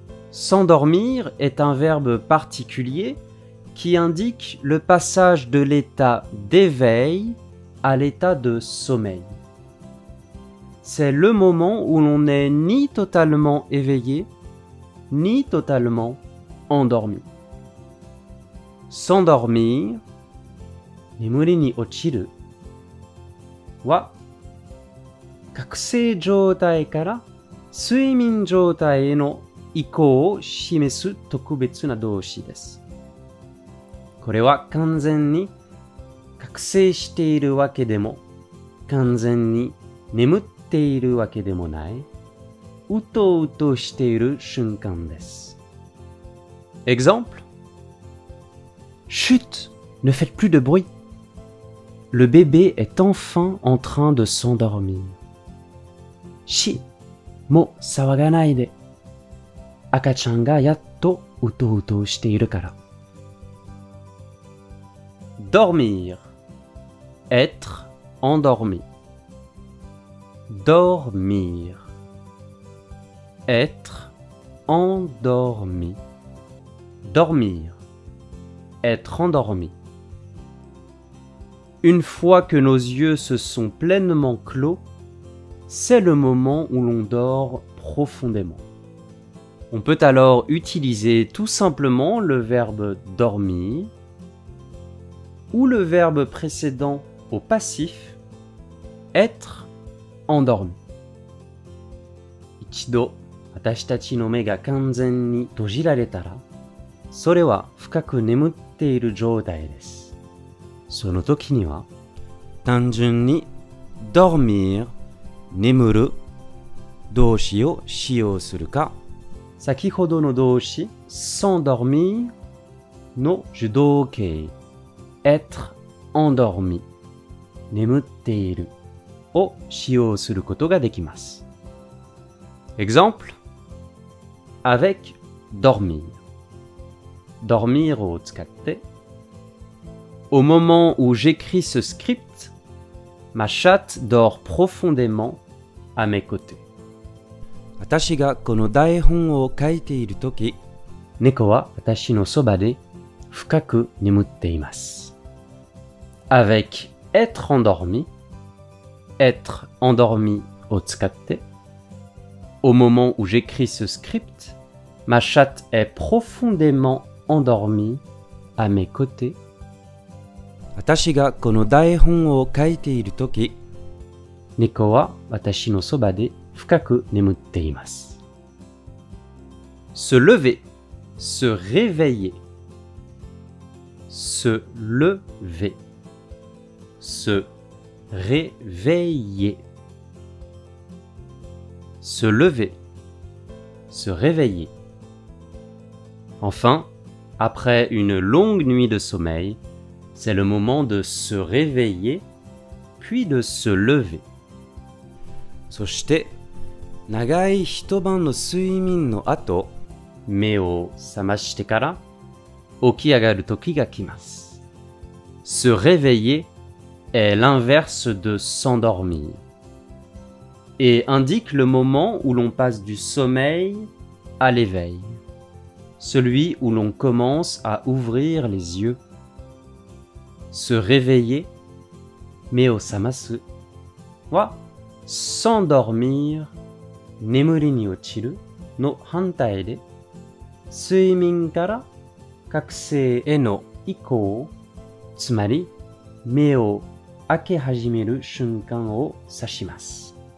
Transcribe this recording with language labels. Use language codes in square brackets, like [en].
[fr] S'endormir est un verbe particulier qui indique le passage de l'état d'éveil à l'état de sommeil. C'est le moment où l'on n'est ni totalement éveillé, ni totalement endormi. S'endormir, [ja] 眠りに落ちるは覚醒状態から睡眠状態への移行を示す特別な動詞です。これは完全に覚醒しているわけでも、完全に眠っているわけでもない、うとうとしている瞬間です。 [fr] Exemple? Chut, ne faites plus de bruit. Le bébé est enfin en train de s'endormir. [ja] Chi, mo sawaganai de. Akachan ga yatto uto uto shite iru kara. [fr] Dormir. Être endormi. Dormir. Être endormi. Dormir. Être endormi. Une fois que nos yeux se sont pleinement clos, c'est le moment où l'on dort profondément. On peut alors utiliser tout simplement le verbe dormir ou le verbe précédent au passif, être endormi. [ja] 一度私たちの目が完全に閉じられたら、それは深く眠っている状態です。その時には、単純に dormir 眠る動詞を使用するか、先ほどの動詞 s'endormir の受動形 être endormi 眠っているを使用することができます。 [fr] Exemple avec dormir. Dormir au tskate. Au moment où j'écris ce script, ma chatte dort profondément à mes côtés. [ja] 私がこの台本を書いている時、猫は私のそばで深く眠っています。 [fr] Avec être endormi, être endormi au tskate. Au moment où j'écris ce script, Ma chatte est profondément endormie à mes côtés. [ja] 私がこの台本を書いているとき、猫は私のそばで深く眠っています。 [fr] Se lever, se réveiller. Se lever, se réveiller. Se lever, se réveiller. Enfin, après une longue nuit de sommeil, c'est le moment de se réveiller, puis de se lever. [ja] そして、長い一晩の睡眠の後、目を覚ましてから、起き上がる時が来ます。 [fr] Se réveiller est l'inverse de s'endormir. Et indique le moment où l'on passe du sommeil à l'éveil. Celui où l'on commence à ouvrir les yeux. [ja] Se réveiller, 目を覚ます。は、s'endormir, 眠りに落ちるの反対で、睡眠から覚醒への移行、つまり、目を開け始める瞬間を指します。